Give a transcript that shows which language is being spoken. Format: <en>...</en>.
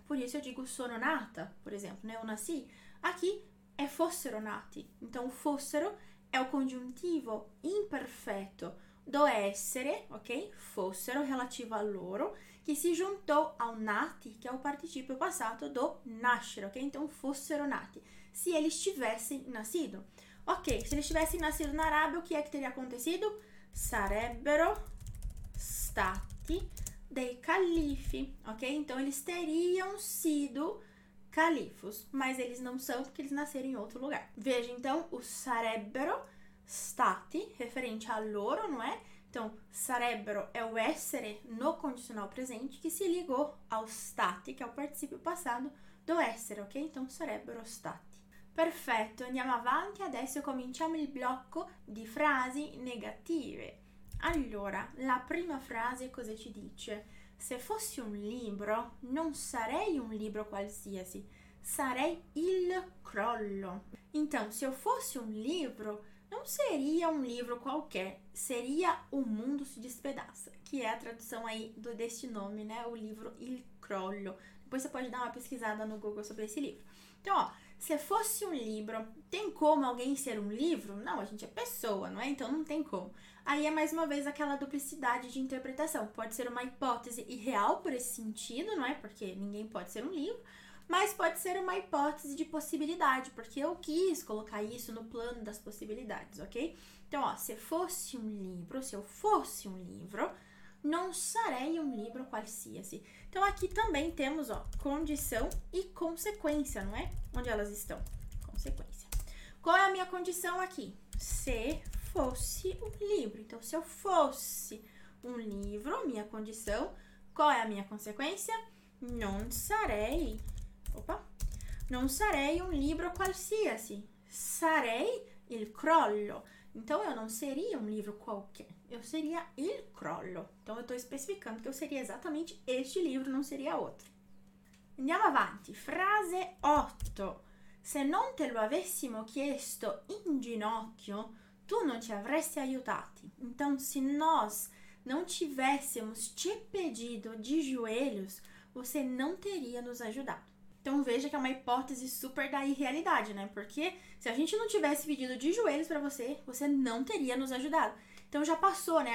<pt>Por isso eu digo sono nata, por exemplo, né, eu nasci. Aqui é fossero nati. Então fossero é o congiuntivo imperfeito. do essere, ok? Fossero relativo a loro, che si juntou ao nati, que é o participio passato do nascere, ok? Então fossero nati, se eles tivessem nascido. Ok, se eles tivessem nascido na Arábia, o que é que teria acontecido?</pt> <it>Sarebbero stati dei califi, ok?</it> <pt>Então eles teriam sido califos, mas eles não são porque eles nasceram em outro lugar. Veja, então, o sarebbero stati, referente a loro, não é? Então, sarebbero é o essere no condicional presente que se ligou ao stati, que é o participio passado do essere, ok? Então, sarebbero stati.</pt> <it>Perfetto, andiamo avanti. Adesso cominciamo il blocco di frasi negative. Allora, la prima frase cosa ci dice? Se fossi un libro, non sarei un libro qualsiasi, sarei il crollo.</it> <pt>Então, se eu fosse um livro, não seria um livro qualquer, seria O Mundo Se Despedaça, que é a tradução aí deste nome, né? O livro Il Crollo. Depois você pode dar uma pesquisada no Google sobre esse livro. Então, ó, se fosse um livro, tem como alguém ser um livro? Não, a gente é pessoa, não é? Então não tem como. Aí é mais uma vez aquela duplicidade de interpretação. Pode ser uma hipótese irreal por esse sentido, não é? Porque ninguém pode ser um livro. Mas pode ser uma hipótese de possibilidade, porque eu quis colocar isso no plano das possibilidades, ok? Então, ó, se fosse um livro, se eu fosse um livro, não sarei um livro qualsiasi. Então, aqui também temos, ó, condição e consequência, não é? Onde elas estão? Consequência. Qual é a minha condição aqui? Se fosse um livro. Então, se eu fosse um livro, minha condição. Qual é a minha consequência? Não sarei. Opa!</pt> <it>Non sarei un libro qualsiasi, sarei il crollo.</it> <pt>Então eu não seria um livro qualquer, eu seria il crollo. Então eu estou especificando que eu seria exatamente este livro, não seria outro.</pt> <it>Andiamo avanti. Frase 8. Se non te lo avessimo chiesto in ginocchio, tu non ci avresti aiutati.</it> <pt>Então se nós não tivéssemos te pedido de joelhos, você não teria nos ajudado. Então veja que é uma hipótese super da irrealidade, né? Porque se a gente não tivesse pedido de joelhos para você, você não teria nos ajudado. Então já passou, né?</pt>